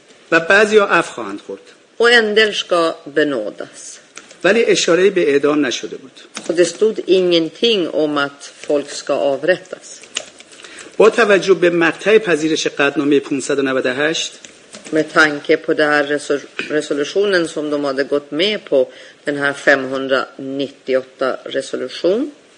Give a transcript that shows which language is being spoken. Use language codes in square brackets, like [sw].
[fa] و بعضی ها عفو خواهند خورد. [sv] Och en del ska benådas. [fa] ولی اشاره به اعدام نشده بود. [sv] Och det stod ingenting om att folk ska avrättas. [fa] با توجه به مقطع پذیرش قطعنامه 598 [sv] med tanke på den här resolutionen som de hade gått med på, den här 598 resolution.